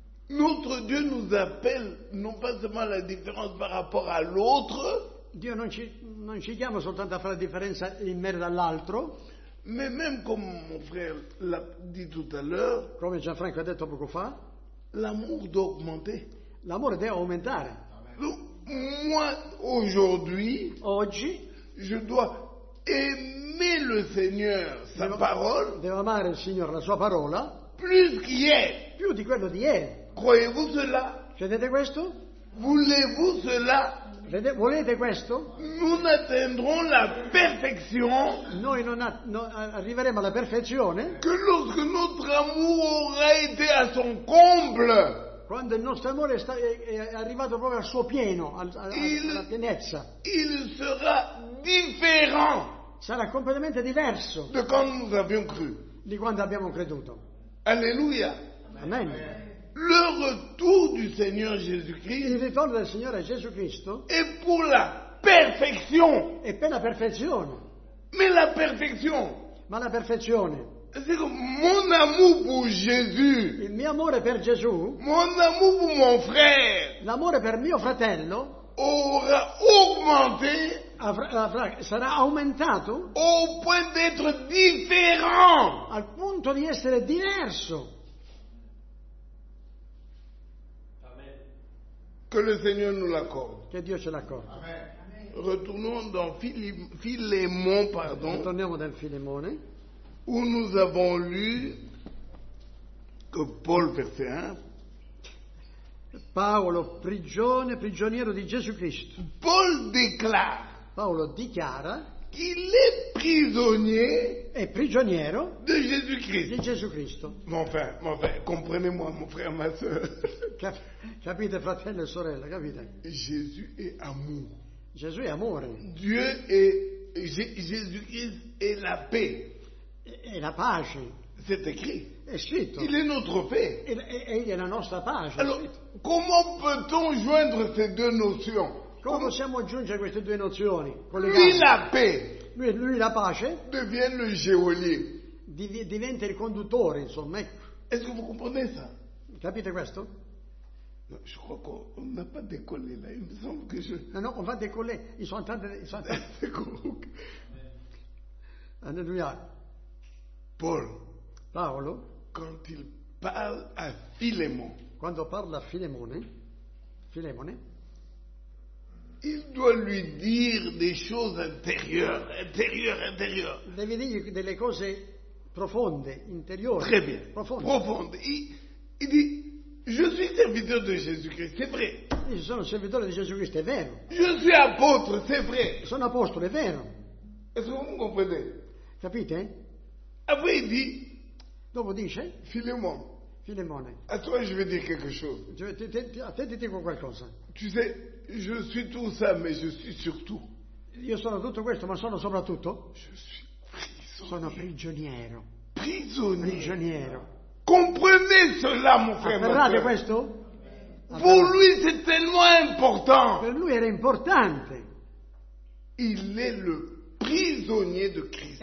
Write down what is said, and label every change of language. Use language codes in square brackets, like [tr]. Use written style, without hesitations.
[fr] Notre Dieu nous appelle non pas seulement la différence par rapport à l'autre. [it] Dio non ci chiama soltanto a fare la differenza in merito all'altro. [fr] Mais même comme mon frère l'a dit tout à l'heure. [it] Come Gianfranco ha detto poco fa. [fr] L'amour doit augmenter. [it] L'amore deve aumentare. [fr] Moi aujourd'hui. [it] Oggi. [fr] Je dois aimer le Seigneur, sa parole. [it] Devo amare il Signore, la sua parola. [fr] Plus qu'hier. [it] Più di quello di ieri. [fr] Croyez-vous cela? [it] Credete questo? [fr] Voulez-vous cela? [it] Volete questo? [fr] Nous atteindrons la perfection. [it] Noi non arriveremo alla perfezione. [fr] Que lorsque notre amour aura été à son comble. [it] Quando il nostro amore è arrivato proprio al suo pieno, alla pienezza. [fr] Il sarà différent. [it] Sarà completamente diverso. [fr] De quand nous avions cru. [it] Di quando abbiamo creduto. Alléluia. Amen. [fr] Le retour du Seigneur Jésus-Christ. [it] Il ritorno del Signore Gesù Cristo. [fr] Et pour la perfection. [it] E per la perfezione. [fr] Mais la perfection. [it] Ma la perfezione. [fr] C'est mon amour pour Jésus. [it] Il mio amore per Gesù. [fr] Mon amour pour mon frère. [it] L'amore per mio fratello. [fr] Aura augmenté. [it] Sarà aumentato. [fr] Au point d'être différent. [it] Al punto di essere diverso. [fr] Que le Seigneur nous l'accorde. [it] Que Dieu ce l'accorde. Amen. [fr] Retournons dans Philémon, pardon. [it] Retourniamo dal Filemone. [fr] Où nous avons lu que Paul, verset 1. [it] Paolo, prigioniero di Gesù Cristo. [fr] Paul déclare. [it] Paolo dichiara. [fr] Qu'il est prisonnier. [it] È prigioniero. [fr] De Jésus-Christ. [it] Di Gesù Cristo. [fr] Mon frère, comprenez-moi, mon frère, ma soeur. [it] Capite, fratello e sorella, capite? Gesù è amore. Gesù è amore. [fr] Dieu est. Jésus-Christ est la paix. [it] È la pace. [fr] C'est écrit. [it] È scritto. [fr] Il est notre paix. [it] Egli è la nostra pace. [fr] Alors, comment peut-on joindre ces deux notions? [it] Come possiamo aggiungere queste due nozioni? [fr] Lui la paix. [it] Lui la pace. [fr] Devient le geôlier. [it] Diventa il conduttore, insomma. [fr] Est-ce que vous comprenez ça? [it] Capite questo? [fr] No, je crois qu'on n'a pas décollé là. Il me semble que je. Non, non, on va décoller. Ils sont en train de. D'accord. Alléluia. [it] Paolo. [fr] Quand il parle à Philémon. [it] Quando parla a Filemone. Filemone. [fr] Il doit lui dire des choses intérieures, intérieures, intérieures. [it] Devi dire delle cose profonde, interiori. [fr] Très bien. Profonde. Il dit. Je suis serviteur de Jésus-Christ, c'est vrai. [it] Io sono servitore di Gesù Cristo, è vero. [fr] Je suis apôtre, c'est vrai. [it] Sono apostolo, è vero. [fr] Est-ce que vous comprenez? [it] Capite? [fr] Après il dit. [it] Dopo dice. [fr] Filémon. [it] Filémone. [fr] À toi je vais dire quelque chose. [it] A te ti dico qualcosa. [fr] Tu sais, je suis tout ça, mais je suis surtout. [it] Io sono tutto questo, ma sono soprattutto. [fr] Je suis prisonnier. [it] Sono prigioniero. [fr] Prisonnier. [it] Prigioniero. [fr] Comprenez cela, mon frère. [it] Comprendete questo? [fr] Pour lui, c'est tellement important. [it] Per lui era importante. [fr] Il est le prisonnier de Christ.